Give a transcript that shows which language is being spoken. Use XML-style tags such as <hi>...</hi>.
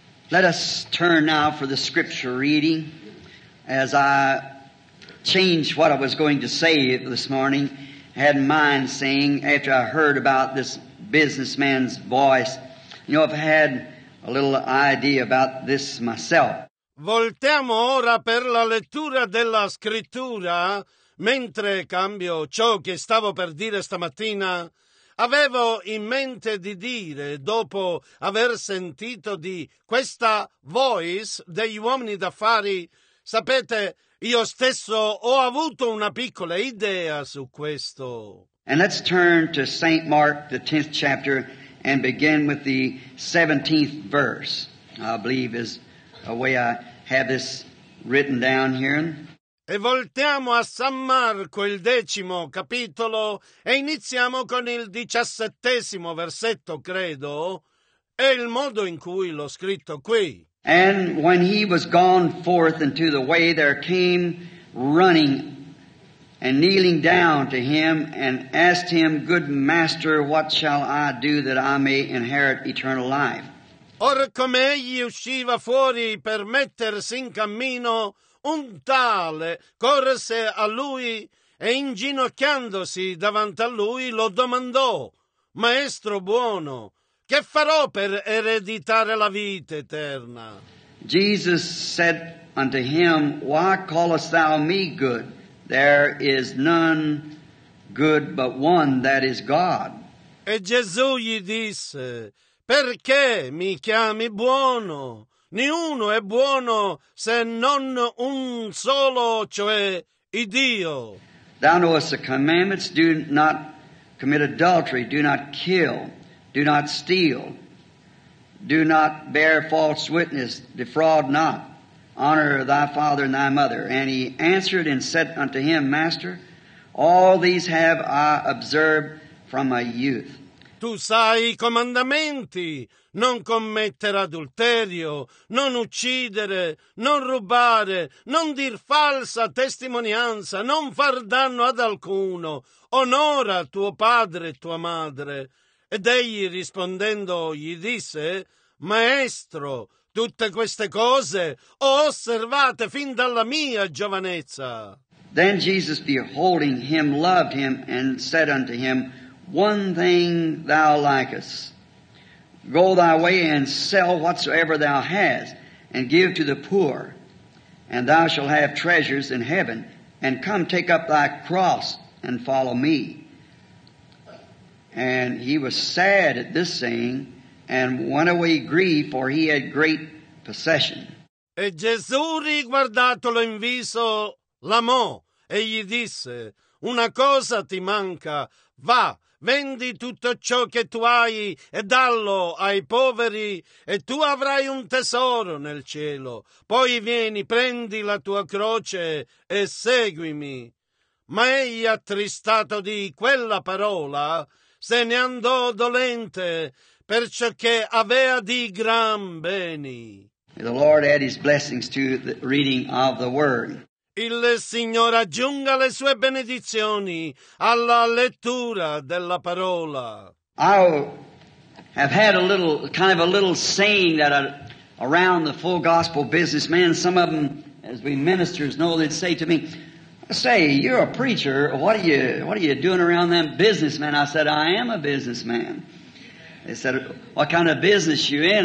<en>Let us turn now for the scripture reading. As I changed what I was going to say this morning, I had in mind saying, after I heard about this businessman's voice, you know, I've had a little idea about this myself.</en> <it>Voltiamo ora per la lettura della scrittura. Mentre cambio ciò che stavo per dire stamattina, avevo in mente di dire, dopo aver sentito di questa voice degli uomini d'affari, sapete, io stesso ho avuto una piccola idea su questo.</it> <en>And let's turn to St. Mark, the 10th chapter, and begin with the 17th verse. I believe is the way I have this written down here. E voltiamo a San Marco, il 10° capitolo, e iniziamo con il 17° versetto, credo, è il modo in cui l'ho scritto qui. And when he was gone forth into the way, there came running and kneeling down to him and asked him, Good master, what shall I do that I may inherit eternal life?</en> <it>Or come egli usciva fuori per mettersi in cammino, un tale corse a lui e inginocchiandosi davanti a lui lo domandò, Maestro buono, che farò per ereditare la vita eterna?</it> <en>Jesus said unto him, Why callest thou me good? There is none good but one, that is God.</en> <it>E Gesù gli disse, Perché mi chiami buono? Niuno è buono se non un solo, cioè Dio.</it> <en>Thou knowest the commandments, do not commit adultery, do not kill. Do not steal, do not bear false witness, defraud not, honor thy father and thy mother. And he answered and said unto him, Master, all these have I observed from my youth.</en> <it>Tu sai i comandamenti, non commettere adulterio, non uccidere, non rubare, non dir falsa testimonianza, non far danno ad alcuno, onora tuo padre e tua madre. Ed egli rispondendo gli disse, Maestro, tutte queste cose ho osservate fin dalla mia giovanezza.</it> <en>Then Jesus, beholding him, loved him, and said unto him, One thing thou lackest. Go thy way, and sell whatsoever thou hast, and give to the poor, and thou shalt have treasures in heaven, and come take up thy cross, and follow me. And he was sad at this saying, and went away grieved, for he had great possession.</en> <it>E Gesù riguardatolo in viso, l'amò, e gli disse, Una cosa ti manca, va, vendi tutto ciò che tu hai, e dallo ai poveri, e tu avrai un tesoro nel cielo. Poi vieni, prendi la tua croce, e seguimi. Ma egli, attristato di quella parola, se ne andò dolente, perciò che aveva di gran beni.</it> <en>The Lord add his blessings to the reading of the word.</en> <it>Il Signore aggiunga le sue benedizioni alla lettura della parola.</it> <en>I have had a little, kind of a little saying that around the full gospel businessmen, some of them, as we ministers know, they'd say to me, Say, you're a preacher, what are you doing around them businessmen? I said, I am a businessman. They said, what kind of business you in?</en>